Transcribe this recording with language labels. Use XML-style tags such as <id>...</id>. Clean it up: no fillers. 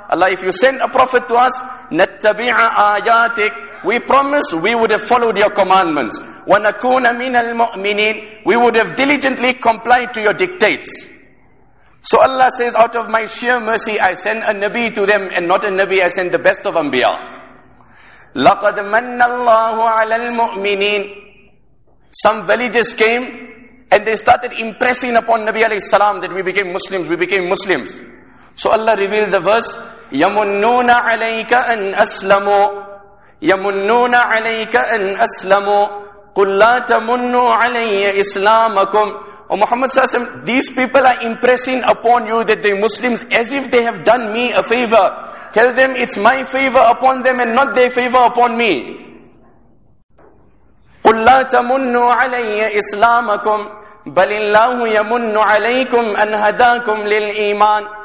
<en>Allah, if you send a prophet to us,</en> <ar>نَتَّبِعَ آيَاتِكَ,</ar> <en>we promise we would have followed your commandments.</en> <ar>وَنَكُونَ مِنَ الْمُؤْمِنِينَ,</ar> <en>we would have diligently complied to your dictates. So Allah says, out of my sheer mercy, I send a Nabi to them, and not a Nabi, I send the best of Anbiya.</en> <ar>لَقَدْ مَنَّ اللَّهُ عَلَى الْمُؤْمِنِينَ.</ar> <en>Some villages came, And they started impressing upon Nabi alayhi salam that we became Muslims, we became Muslims. So Allah revealed the verse,</en> <ar>يَمُنُّونَ عَلَيْكَ أَنْ أَسْلَمُوا يَمُنُّونَ عَلَيْكَ أَنْ أَسْلَمُوا قُلْ لَا تَمُنُّوا عَلَيَّ إِسْلَامَكُمْ.</ar> <en>Oh Muhammad sallallahu alayhi wa sallam, these people are impressing upon you that they're Muslims as if they have done me a favor. Tell them it's my favor upon them and not their favor upon me.</en> <ar>قُلْ لَا تَمُنُّوا عَلَيَّ إِسْلَامَكُمْ بَلِ اللَّهُ يَمُنُّ عَلَيْكُمْ أَنْ هَدَاكُمْ لِلْإِيمَانِ.</ar>